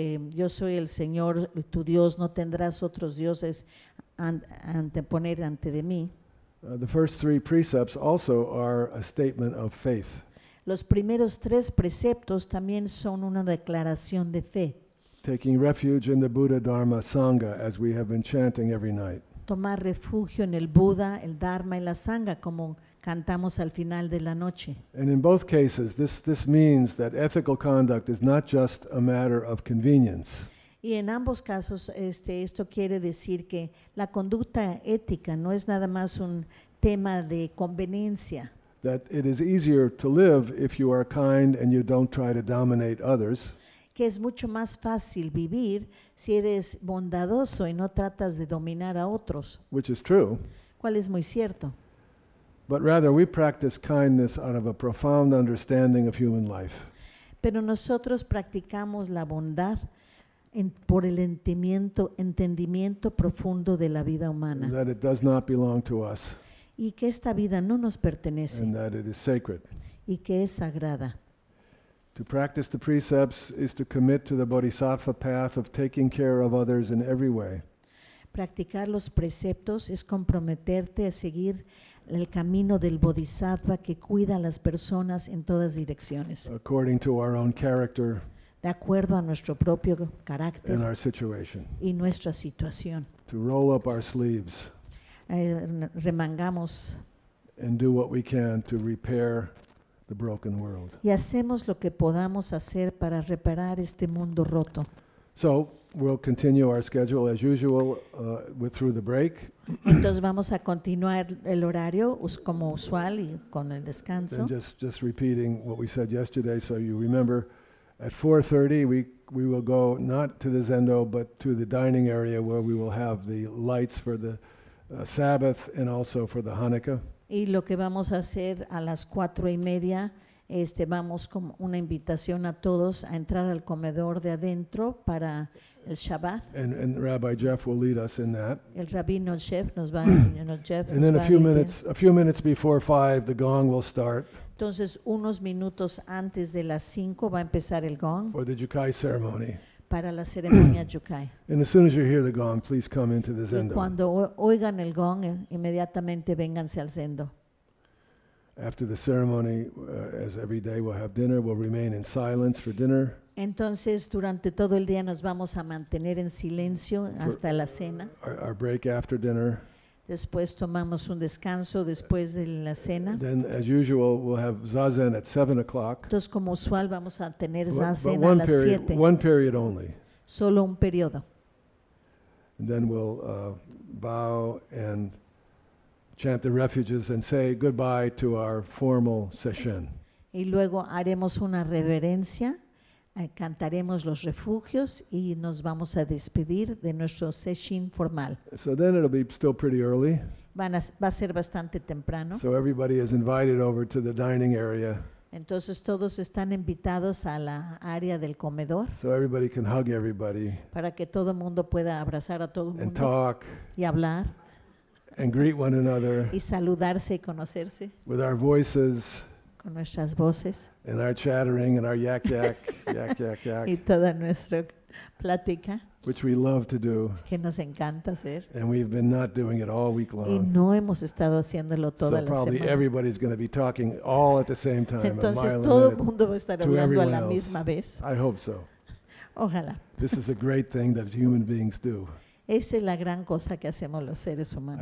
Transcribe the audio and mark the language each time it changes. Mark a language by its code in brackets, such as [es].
[es] Yo soy el Señor tu Dios, no tendrás otros dioses anteponer ante de mí. [en] The first three precepts also are a statement of faith. [es] Los primeros tres preceptos también son una declaración de fe. [en] Taking refuge in the Buddha Dharma Sangha, as we have been chanting every night. [es] Tomar refugio en el Buda, el Dharma y la Sangha, como cantamos al final de la noche. [en] And in both cases, this means that ethical conduct is not just a matter of convenience. [es] Y en ambos casos, esto quiere decir que la conducta ética no es nada más un tema de conveniencia. [en] That it is easier to live if you are kind and you don't try to dominate others. [es] Que es mucho más fácil vivir si eres bondadoso y no tratas de dominar a otros. [en] Which is true. [es] Cual es muy cierto. [en] But rather we practice kindness out of a profound understanding of human life. [es] Pero nosotros practicamos la bondad por el entendimiento profundo de la vida humana. [en] That it does not belong to us. [es] Y que esta vida no nos pertenece. Y que es sagrada. [en] To practice the precepts is to commit to the bodhisattva path of taking care of others in every way. [es] Practicar los preceptos es comprometerte a seguir el camino del bodhisattva que cuida a las personas en todas direcciones. [en] According to our own character. [es] De acuerdo a nuestro propio carácter. [en] And our situation. [es] Y nuestra situación. [en] To roll up our sleeves. [es] Remangamos [en] and do what we can to repair the broken world. [es] Y hacemos lo que podamos hacer para reparar este mundo roto. [en] So we'll continue our schedule as usual through the break. [es] Entonces vamos a continuar el horario como usual y con el descanso. [en] And just repeating what we said yesterday, so you remember, at 4:30 we will go not to the zendo but to the dining area where we will have the lights for the Sabbath and also for the Hanukkah. [es] Y lo que vamos a hacer a las 4:30, vamos con una invitación a todos a entrar al comedor de adentro para el Shabbat. [en] And Rabbi Jeff will lead us in that. [es] El rabino Jeff nos va. [en] And then a few minutes before 5, the gong will start. [es] Entonces unos minutos antes de las 5 va a empezar el gong. [en] For the Jukai ceremony. [es] Para la ceremonia Jukai. [en] And as soon as you hear the gong, please come into the zendo. [es] Y cuando oigan el gong, inmediatamente vénganse al zendo. [en] After the ceremony, as every day, we'll have dinner. We'll remain in silence for dinner. [es] Entonces, durante todo el día, nos vamos a mantener en silencio hasta la cena. [en] Our break after dinner. [es] Después tomamos un descanso después de la cena. [en] Then, as usual, we'll have zazen at 7:00. [es] Entonces, como usual, vamos a tener zazen [en] but one [es] a las 7. [en] One period only. [es] Solo un periodo. [en] And then we'll bow and chant the refuges and say goodbye to our formal session. [es] Y luego haremos una reverencia, cantaremos los refugios y nos vamos a despedir de nuestro sesshin formal. [en] So then it'll be still pretty early. [es] Va a ser bastante temprano. [en] So everybody is invited over to the dining area. [es] Entonces todos están invitados a la área del comedor. [en] So everybody can hug everybody. [es] Para que todo mundo pueda abrazar a todo mundo. [en] And talk. [es] Y hablar. [en] And greet one another. [es] Y saludarse y conocerse. [en] With our voices. [es] Con nuestras voces. [en] And our chattering and our yak yak yak yak yak. [es] Y toda nuestra plática. [en] Which we love to do. [es] Que nos encanta hacer. [en] And we've been not doing it all week long. [es] Y no hemos estado haciéndolo toda la semana. [en] So probably everybody's going to be talking all at the same time. [es] Entonces todo el mundo va a estar hablando a la misma vez. [en] I hope so. [es] Ojalá. [en] This is a great thing that human beings do. [es] Esa es la gran cosa que hacemos los seres humanos.